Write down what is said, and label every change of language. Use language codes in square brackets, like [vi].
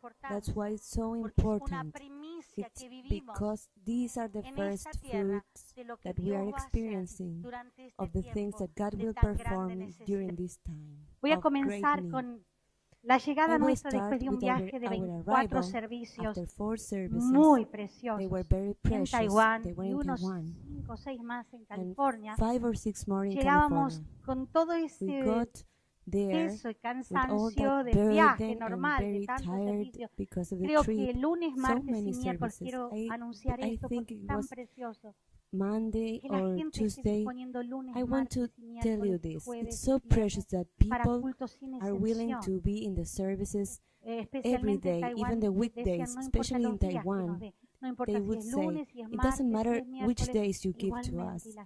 [en] That's why it's so important. It's because these are the first fruits that we are experiencing of the things that God will perform during this time. [es] Voy a comenzar con La llegada nuestra después de un viaje de 24 servicios muy preciosos en Taiwán y unos 5 o 6 más en California, llegábamos con todo ese peso y cansancio de viaje normal, de tantos servicios. Creo que el lunes, martes y miércoles quiero anunciar esto porque es tan precioso. [en] Monday or Tuesday, I want to tell you this. It's so precious that people are willing to be in the services every day, even the weekdays, especially in Taiwan. They would say, it doesn't matter which days you give to us.